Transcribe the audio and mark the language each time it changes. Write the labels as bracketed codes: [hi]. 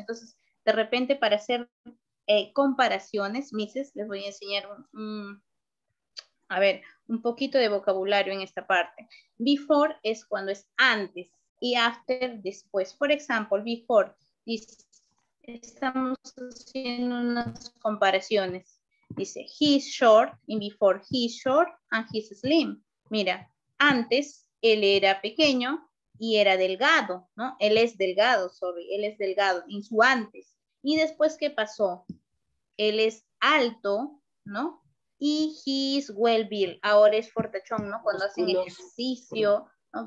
[es] Entonces, de repente, para hacer comparaciones, Mises, les voy a enseñar un poquito de vocabulario en esta parte. Before es cuando es antes, y after, después. Por ejemplo, before, dice, estamos haciendo unas comparaciones. [en] Dice, he's short, in before, he's short and he's slim. [es] Mira, antes él era pequeño y era delgado, ¿no? Él es delgado, sorry, él es delgado, en su antes. Y después, ¿qué pasó? Él es alto, ¿no? Y [en] he's well built. [es] Ahora es fortachón, ¿no? Cuando hacen ejercicio, ¿no?